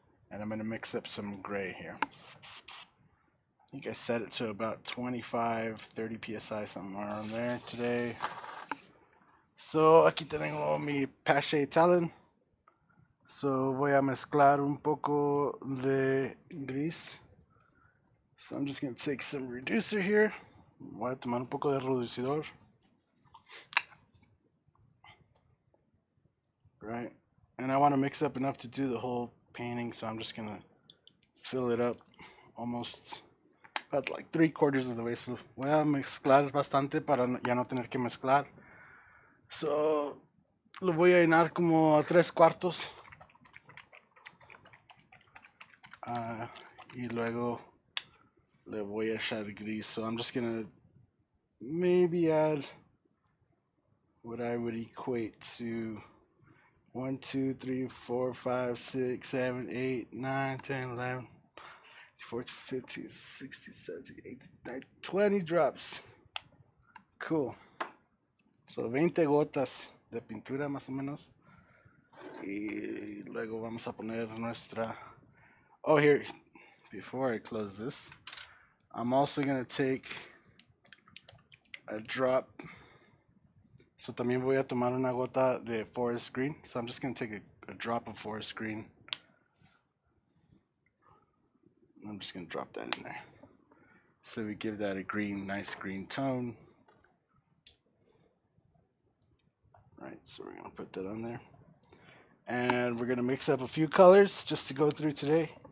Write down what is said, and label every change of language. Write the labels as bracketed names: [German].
[English] And I'm gonna mix up some gray here. I think I set it to about 25, 30 PSI, somewhere around there today. [Spanish] So aquí tengo mi pache talon. So voy a mezclar un poco de gris. [English] So I'm just gonna take some reducer here. [Spanish] Voy a tomar un poco de reducidor. [English] Right. And I wanna mix up enough to do the whole painting, so I'm just gonna fill it up almost about like 3/4 of the way. [Spanish] So voy a mezclar bastante para ya no tener que mezclar. So lo voy a llenar como a 3/4. Y luego le voy a echar gris. [English] So I'm just gonna maybe add what I would equate to 1, 2, 3, 4, 5, 6, 7, 8, 9, 10, 11, 14, 15, 16, 17, 18, 19, 20 drops. Cool. [Spanish] So 20 gotas de pintura, más o menos. Y luego vamos a poner nuestra. [English] Oh, here, before I close this, I'm also gonna take a drop. [Spanish] So también voy a tomar una gota de forest green. [English] So I'm just gonna take a drop of forest green. I'm just gonna drop that in there. So we give that a green, nice green tone. Right, so we're gonna put that on there. And we're gonna mix up a few colors just to go through today.